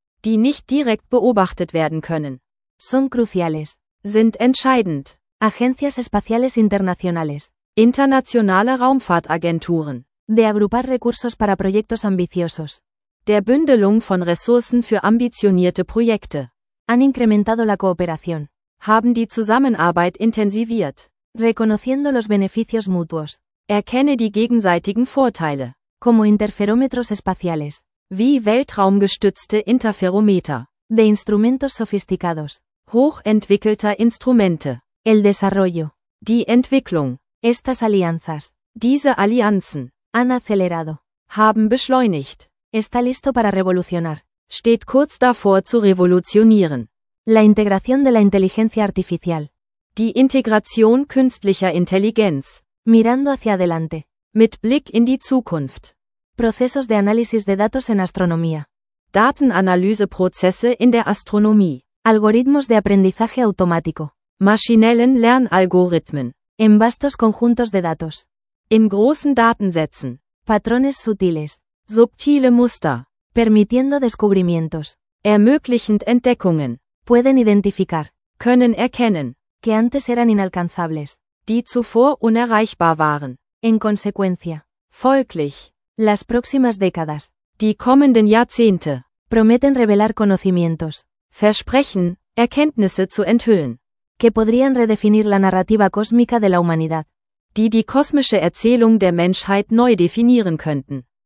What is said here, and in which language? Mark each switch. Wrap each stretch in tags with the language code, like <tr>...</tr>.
<de>Die nicht direkt beobachtet werden können.</de> <es>Son cruciales.</es> <de>Sind entscheidend.</de> <es>Agencias espaciales internacionales.</es> <de>Internationale Raumfahrtagenturen.</de> <es>De agrupar recursos para proyectos ambiciosos.</es> <de>Der Bündelung von Ressourcen für ambitionierte Projekte.</de> <es>Han incrementado la cooperación.</es> <de>Haben die Zusammenarbeit intensiviert.</de> <es>Reconociendo los beneficios mutuos.</es> <de>Erkenne die gegenseitigen Vorteile.</de> <es>Como interferómetros espaciales.</es> <de>Wie weltraumgestützte Interferometer.</de> <es>De instrumentos sofisticados.</es> <de>Hochentwickelter Instrumente.</de> <es>El desarrollo.</es> <de>Die Entwicklung.</de> <es>Estas alianzas.</es> <de>Diese Allianzen.</de> <es>Han acelerado.</es> <de>Haben beschleunigt.</de> <es>Está listo para revolucionar.</es> <de>Steht kurz davor zu revolutionieren.</de> <es>La integración de la inteligencia artificial.</es> <de>Die Integration künstlicher Intelligenz.</de> <es>Mirando hacia adelante.</es> <de>Mit Blick in die Zukunft.</de> <es>Procesos de análisis de datos en astronomía.</es> <de>Datenanalyseprozesse in der Astronomie.</de> <es>Algoritmos de aprendizaje automático.</es> <de>Maschinellen Lernalgorithmen.</de> <es>En vastos conjuntos de datos.</es> <de>In großen Datensätzen.</de> <es>Patrones sutiles.</es> <de>Subtile Muster.</de> <es>Permitiendo descubrimientos.</es> <de>Ermöglichend Entdeckungen.</de> <es>Pueden identificar.</es> <de>Können erkennen.</de> <es>Que antes eran inalcanzables.</es> <de>Die zuvor unerreichbar waren.</de> <es>En consecuencia.</es> <de>Folglich.</de> <es>Las próximas décadas.</es> <de>Die kommenden Jahrzehnte.</de> <es>Prometen revelar conocimientos.</es> <de>Versprechen, Erkenntnisse zu enthüllen.</de> <es>Que podrían redefinir la narrativa cósmica de la humanidad.</es> <de>Die die kosmische Erzählung der Menschheit neu definieren könnten.</de>